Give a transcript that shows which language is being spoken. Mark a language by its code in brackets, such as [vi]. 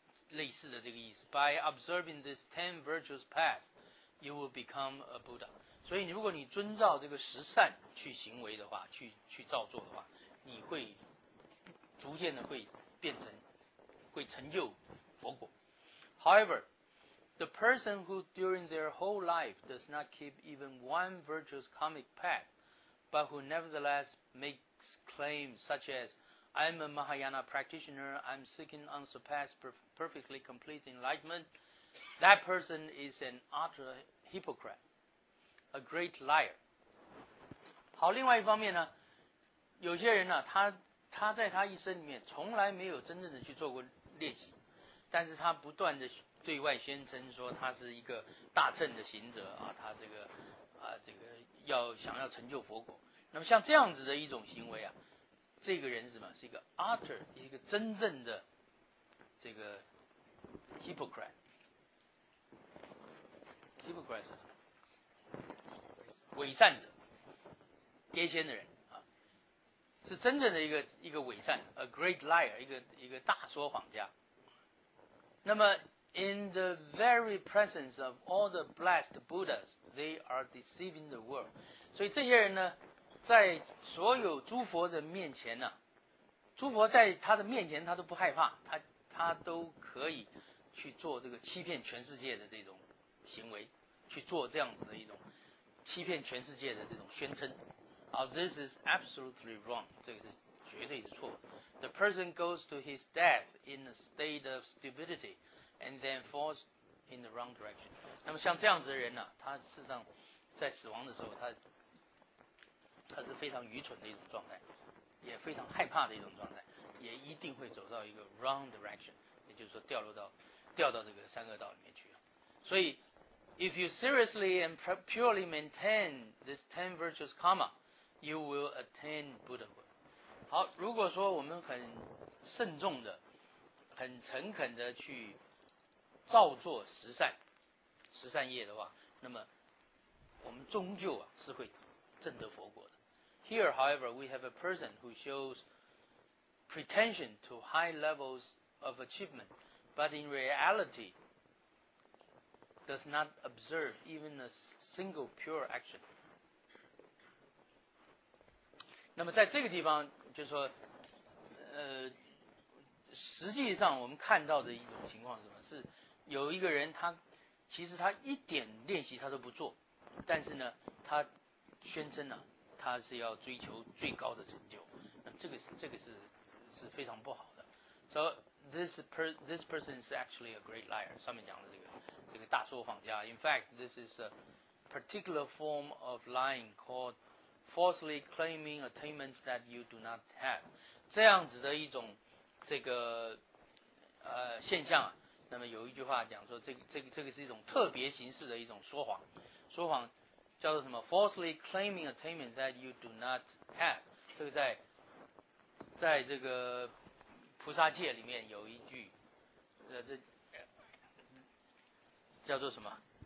[zh] 类似的这个意思 [en] by observing this 10 virtuous path you will become a Buddha [zh] 所以如果你遵照这个十善去行为的话 去造作的话你会逐渐的会变成会成就佛果 [en] However the person who during their whole life does not keep even one virtuous karmic path but who nevertheless makes claims such asI'm a Mahayana practitioner. I'm seeking unsurpassed, perfectly complete enlightenment. That person is an utter hypocrite, a great liar. [zh] 好，另外一方面呢，有些人呢、啊，他在他一生里面从来没有真正的去做过练习，但是他不断的对外宣称说他是一个大乘的行者啊，他这个啊这个要想要成就佛果。那么像这样子的一种行为啊。这个人是什么？是一个 utter， 一个真正的这个 hypocrite。 hypocrite 是什么？伪善者，癫痫的人啊，是真正的一个伪善 ， [en] a great liar， [zh] 一个大说谎家。那么 [en] ，in the very presence of all the blessed Buddhas， they are deceiving the world。 [zh] 所以这些人呢？在所有诸佛的面前呢、啊，诸佛在他的面前他都不害怕，他都可以去做这个欺骗全世界的这种行为，去做这样子的一种欺骗全世界的这种宣称。 [en] This is absolutely wrong， [zh] 这个是绝对是错的。 [en] The person goes to his death in a state of stupidity and then falls in the wrong direction。 [zh] 那么像这样子的人呢、啊，他事实上在死亡的时候他是非常愚蠢的一种状态，也非常害怕的一种状态，也一定会走到一个 [en] wrong direction， [zh] 也就是说掉到这个三恶道里面去。所以 [en] ，if you seriously and purely maintain this 10 virtuous karma， you will attain Buddhahood。 [zh] 好，如果说我们很慎重的、很诚恳的去造作十善业的话，那么我们终究啊是会。证得佛果的。 [en] Here, however, we have a person who shows pretension to high levels of achievement, but in reality does not observe even a single pure action. [zh] 那么在这个地方，就是说，实际上我们看到的一种情况是什么？是有一个人他其实他一点练习他都不做，但是呢，他宣称呢、啊，他是要追求最高的成就，那么这个是非常不好的。 [en] So this person is actually a great liar。 [zh] 上面讲的这个大说谎家。 [en] In fact, this is a particular form of lying called falsely claiming attainments that you do not have。 [zh] 这样子的一种这个现象啊，那么有一句话讲说，这个是一种特别形式的一种说谎。叫做什么 [en] ？Falsely claiming attainment that you do not have。 [zh] 这个在这个菩萨戒里面有一句，这叫做什么？